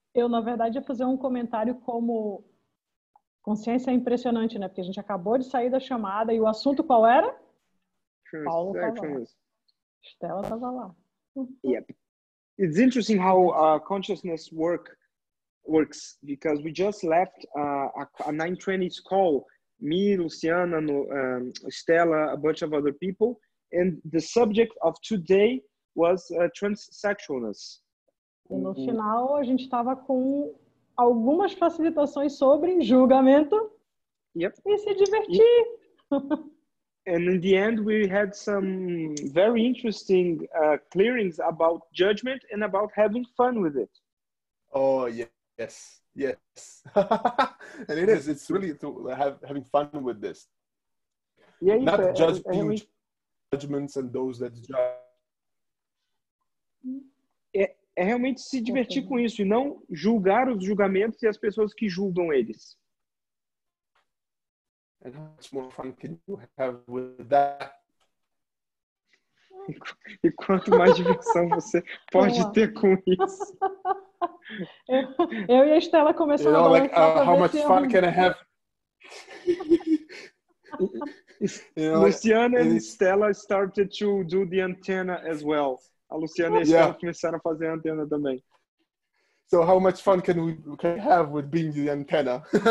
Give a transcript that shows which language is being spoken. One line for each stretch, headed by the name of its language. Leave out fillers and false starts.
Portuguese: Eu, na verdade, ia fazer um comentário como consciência é impressionante, né? Porque a gente acabou de sair da chamada e o assunto qual era? Paulo estava lá. Estela estava lá.
English: Yep. It's interesting how consciousness works because we just left a 9:20 call, me, Luciana, Estela, a bunch of other people, and the subject of today was transsexualness.
Portuguese: E no final a gente estava com algumas facilitações sobre julgamento.
English: Yep.
Portuguese: E se divertir.
English: And in the end we had some very interesting clearings about judgment and about having fun with it. Oh, yes. Yes. And it is. It's really to having fun with this. Yeah, not judgments and those that judge.
Portuguese: É realmente se divertir com isso e não julgar os julgamentos e as pessoas que julgam eles.
English: And how much more fun can you have with that?
Portuguese: E quanto mais diversão você pode ter com isso? Eu e a Estela começamos a falar.
English: How much fun can I have? Luciana and Stella started to do the antenna as well.
Portuguese: A Luciana e a Stella começaram a fazer a antena também.
English: So how much fun can we have with being the antenna?